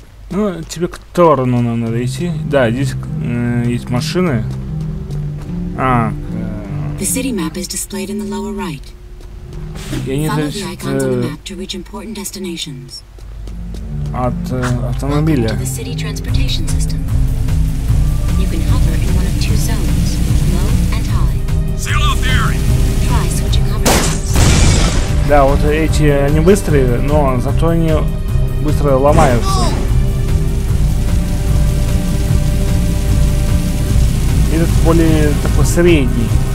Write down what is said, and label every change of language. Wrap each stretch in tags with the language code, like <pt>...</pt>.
<ru>Ну, тебе к Торну надо идти. Да, здесь есть машины. А.</ru> <en>The city map is displayed in the lower right.</en> <ru>Я не</ru> <en>Follow the icons on the map to reach important destinations.</en> <ru>От автомобиля.</ru> <en>Welcome to the city transportation system. You can hover in one of two zones, low and high. Seal off the area. Try switching hover zones.</en> <ru>Да, вот эти они быстрые, но зато они быстро ломаются. Oh. Этот более такой средний.</ru>